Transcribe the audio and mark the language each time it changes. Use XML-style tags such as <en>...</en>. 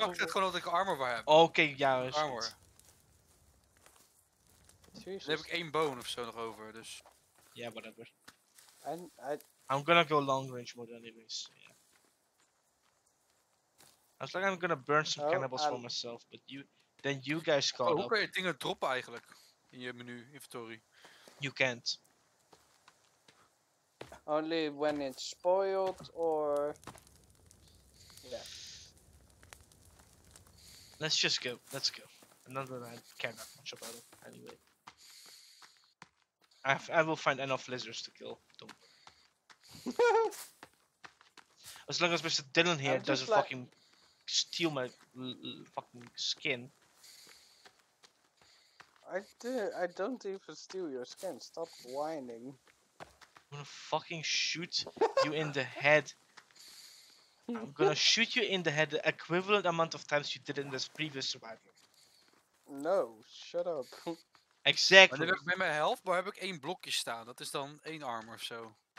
<nl>Ik pak het gewoon omdat ik armor bij heb. Oké, ja, dat is armor. Dan heb ik één bone of zo nog over, dus.</nl> <en>Ja, yeah, whatever. I'm gonna go long range mode anyways. Yeah. I was like, I'm gonna burn some cannibals for myself, but you. Then you guys call.</en> <nl>Hoe kan je dingen droppen eigenlijk? In je menu, inventory.</nl> <en>You can't. Only when it's spoiled or. Let's just go. Let's go. Another one, I care not much about it anyway. I will find enough lizards to kill. Don't worry. As long as Mr. Dylan here doesn't fucking steal my fucking skin. I don't even steal your skin. Stop whining. I'm gonna fucking shoot you in the head. I'm gonna shoot you in the head the equivalent amount of times you did in this previous survival. No, shut up. Exactly.</en> <nl>Maar dan heb ik met mijn health, maar heb ik één blokje staan. Dat is dan één armor of zo.</nl>